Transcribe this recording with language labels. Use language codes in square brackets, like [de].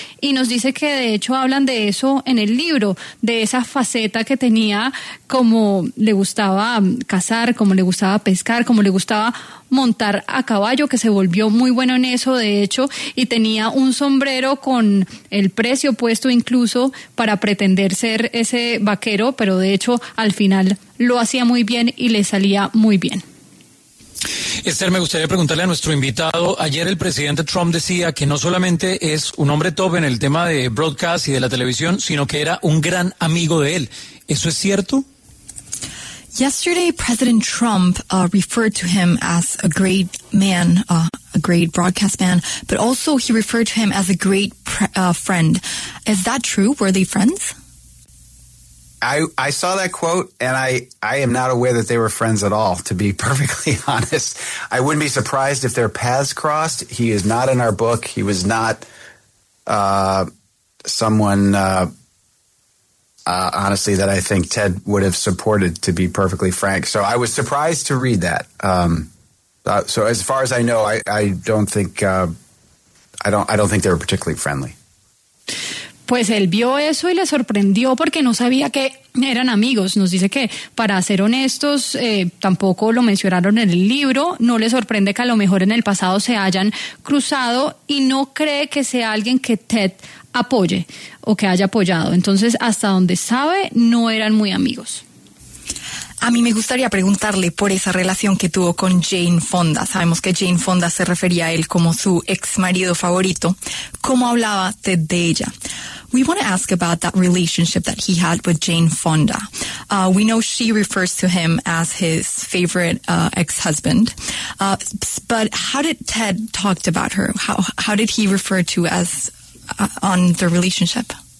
[es] Y nos dice que, de hecho, hablan de eso en el libro, de esa faceta que tenía, como le gustaba cazar, como le gustaba pescar, como le gustaba montar a caballo, que se volvió muy bueno en eso, de hecho, y tenía un sombrero con el precio puesto incluso para pretender ser ese vaquero, pero de hecho al final lo hacía muy bien y le salía muy bien. Esther, me gustaría preguntarle a nuestro invitado. Ayer el presidente Trump decía que no solamente es un hombre top en el tema de broadcast y de la televisión, sino que era un gran amigo de él. ¿Eso es cierto? [en] Yesterday, President Trump referred to him as a great man, a great broadcast man, but also he referred to him as a great friend. Is that true? Were they friends? I saw that quote, and I am not aware that they were friends at all, to be perfectly honest. I wouldn't be surprised if their paths crossed. He is not in our book. He was not someone... honestly, that I think Ted would have supported, to be perfectly frank. So I was surprised to read that. So as far as I know, I don't think they were particularly friendly. [es] pues él vio eso y le sorprendió porque no sabía que eran amigos. Nos dice que, para ser honestos, tampoco lo mencionaron en el libro. No le sorprende que a lo mejor en el pasado se hayan cruzado y no cree que sea alguien que Ted apoye o que haya apoyado. Entonces, hasta donde sabe, no eran muy amigos. A mí me gustaría preguntarle por esa relación que tuvo con Jane Fonda. Sabemos que Jane Fonda se refería a él como su ex marido favorito. ¿Cómo hablaba Ted de ella? [en] We want to ask about that relationship that he had with Jane Fonda. We know she refers to him as his favorite ex-husband. But how did Ted talk about her? How did he refer to as on the relationship?